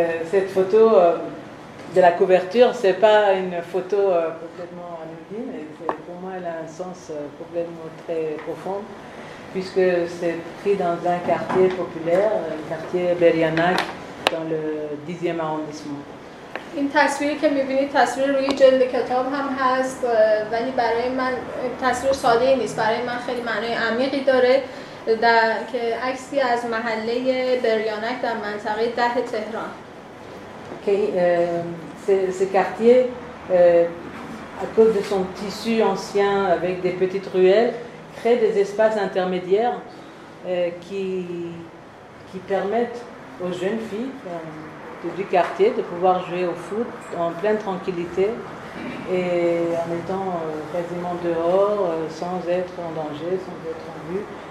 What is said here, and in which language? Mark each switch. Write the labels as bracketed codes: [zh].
[fr] cette photo de la couverture, c'est pas une photo complètement anodine, mais pour moi elle a un sens complètement très profond. Puisque c'est pris dans un quartier populaire, le quartier Berianac, dans le 10e arrondissement. [fa] این تصویری که می‌بینید تصویر روی جلد کتاب هم هست، ولی برای من تصویر ساده‌ای نیست، برای من خیلی معنای عمیقی داره، در که عکسی از محله بریانک در منطقه 10 تهران. [fr] ce quartier à cause de son tissu ancien avec des petites ruelles crée des espaces intermédiaires qui permettent aux jeunes filles du quartier de pouvoir jouer au foot en pleine tranquillité et en étant quasiment dehors, sans être en danger, sans être en vue.